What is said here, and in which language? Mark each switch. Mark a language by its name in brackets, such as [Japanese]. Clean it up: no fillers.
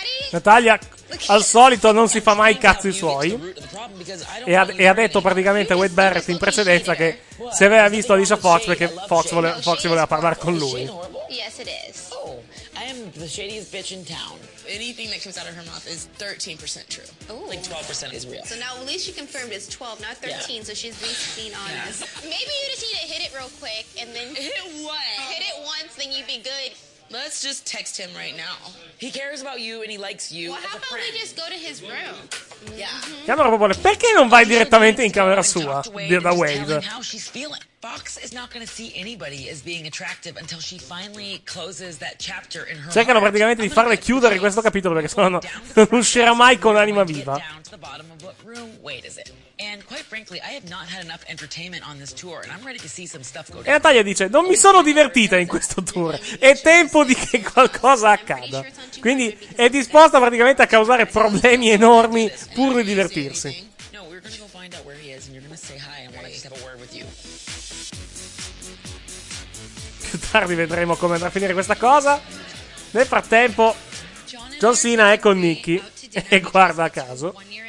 [Italian] Natalia al solito non si fa mai i cazzi suoi e ha detto praticamente a Wade Barrett in precedenza che se aveva visto Alicia Fox perché Fox voleva parlare con lui. [English] Yes it is. I am the shadiest bitch in town. Anything that comes out of her mouth is 13% true. Ooh. Like 12% is real. So now at least she confirmed it's 12, not 13, yeah. So she's being seen on this. Maybe you just need to hit it real quick and then hit what? Hit it once, then you'd be good. Let's just text him right now. He cares about you and he likes you. Well, how about we just go to his room? Yeah. [Italian] Camera popolare. Perché non vai direttamente in camera sua? Da Wade. [English] How she's feeling. Fox is not going to see anybody as being attractive until she finally closes that chapter in her life. [Italian] Cercano praticamente di farle chiudere questo capitolo perché sennò non uscirà mai con anima viva. [English] And quite frankly, I have not had enough entertainment on this tour and I'm ready to see some stuff go down. [Italian] E Natalia dice: "Non mi sono divertita in questo tour. È tempo di che qualcosa accada." Quindi è disposta praticamente a causare problemi enormi pur di divertirsi. [English] No, we're going to go find out where he is and you're going to say hi and want to have a word with you. [Italian] Più tardi vedremo come andrà a finire questa cosa. Nel frattempo John Cena è con Nikki e guarda a caso.